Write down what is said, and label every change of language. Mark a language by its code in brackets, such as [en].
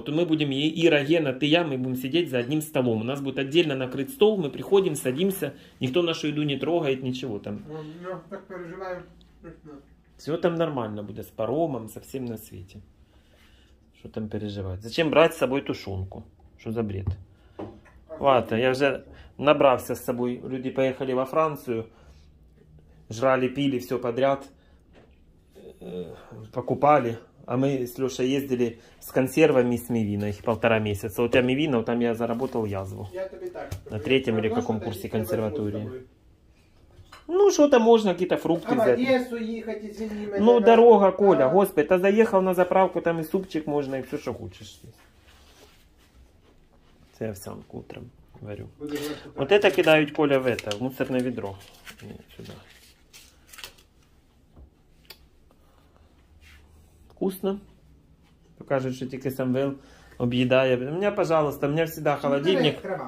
[ru] Вот мы будем, Ира, Гена, ты, я, мы будем сидеть за одним столом. У нас будет отдельно накрыт стол, мы приходим, садимся, никто нашу еду не трогает, ничего там. Я так переживаю. Все там нормально будет, с паромом, со всем на свете. Что там переживать? Зачем брать с собой тушенку? Что за бред? Ладно, я уже... [uk] Набрався з собою, люди поїхали во Францію, жрали, пили [ru] все подряд, [uk] покупали. А ми з Льошою їздили з консервами, з мівіною, півтора місяця. От я мівіна, там я заработав язву. Я тобі так. На третьому чи якому курсі консерватурії. Ну, що там можна, якісь фрукти взяти. А в Одесу їхати, звільни мене. Ну, дорога, Коля, господи, та заїхав на заправку, там і супчик можна, і все, що хочеш. Це я все утром. Варю. [ru] Вот это кидают, Коля, в это, в мусорное ведро. Нет, сюда. Вкусно. Покажут, что только Самвел объедает. У меня, пожалуйста, у меня всегда холодильник.